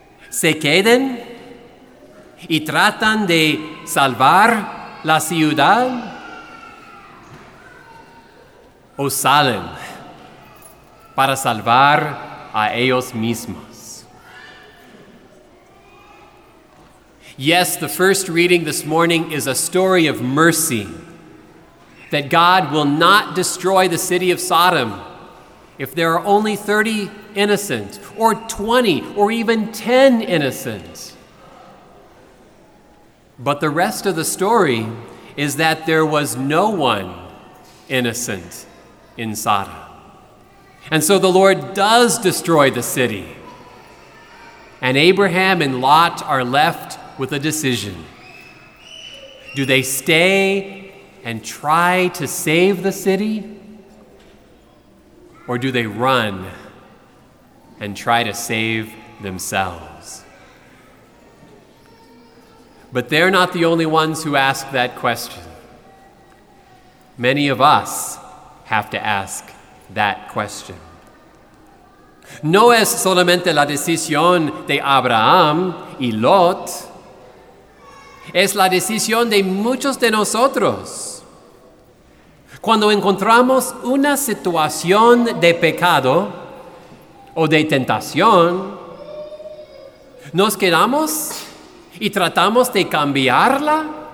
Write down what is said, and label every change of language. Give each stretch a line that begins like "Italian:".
Spanish: Se quedan y tratan de salvar la ciudad, o salen para salvar a ellos mismos.
English: Yes, the first reading this morning is a story of mercy, that God will not destroy the city of Sodom if there are only 30 innocent, or 20, or even 10 innocent. But the rest of the story is that there was no one innocent in Sodom. And so the Lord does destroy the city. And Abraham and Lot are left with a decision. Do they stay and try to save the city? Or do they run and try to save themselves? But they're not the only ones who ask that question. Many of us have to ask that question.
Spanish: No es solamente la decisión de Abraham y Lot, es la decisión de muchos de nosotros. Cuando encontramos una situación de pecado o de tentación, ¿nos quedamos y tratamos de cambiarla?